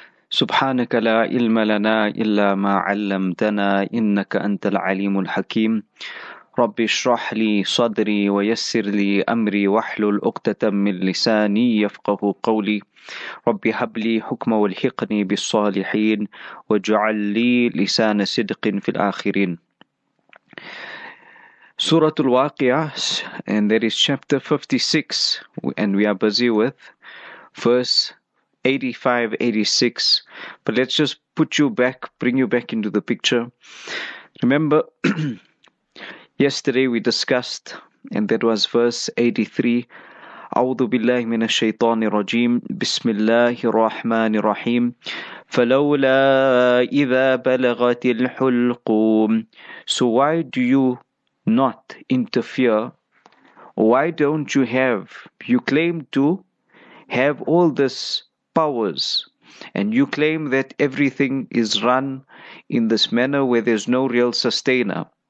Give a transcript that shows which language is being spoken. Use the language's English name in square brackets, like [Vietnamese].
[Arabic] سبحانك لا علم لنا إلا ما علمتنا إنك أنت العليم الحكيم. رب اشرح لي صدري ويسر لي أمري واحلل عقدة من لساني يفقه قولي. رب هب لي حكما والحقني بالصالحين واجعل لي لسان صدق في الآخرين. [English] سورة الواقعة, and there is chapter 56, and we are busy with verse 85-86. But let's just put you back, bring you back into the picture. Remember, yesterday we discussed, and that was verse 83. [Arabic] أعوذ بالله من الشيطان الرجيم بسم الله الرحمن الرحيم فلولا إذا بلغت الحلقوم. [English] So why do you not interfere? Why don't you have, you claim to have all this powers, and you claim that everything is run in this manner where there's no real sustainer.